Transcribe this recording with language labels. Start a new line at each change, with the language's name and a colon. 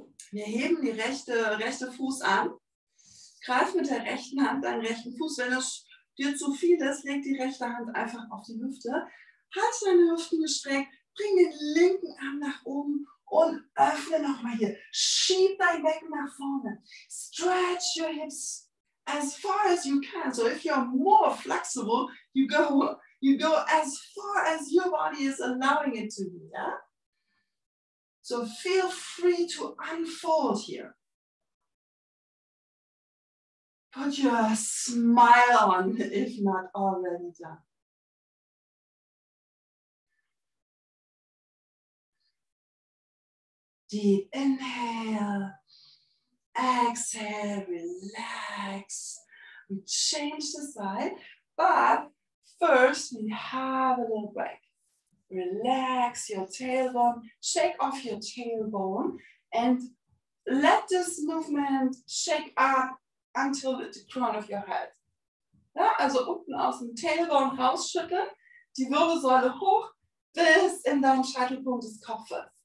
German: Wir heben die rechte Fuß an. Greif mit der rechten Hand deinen rechten Fuß. Wenn das dir zu viel ist, leg die rechte Hand einfach auf die Hüfte. Halte deine Hüften gestreckt. Bring den linken Arm nach oben und öffne nochmal hier. Schieb dein Becken nach vorne.
English: Stretch your hips as far as you can. So if you're more flexible, you go as far as your body is allowing it to be. Yeah? So feel free to unfold here. Put your smile on, if not already done. Deep inhale. Exhale, relax. We change the side, but first we have a little break. Relax your tailbone, shake off your tailbone, and let this movement shake up until the crown of your head.
German: Ja, also unten aus dem Tailbone rausschütteln, die Wirbelsäule hoch bis in deinen Scheitelpunkt des Kopfes.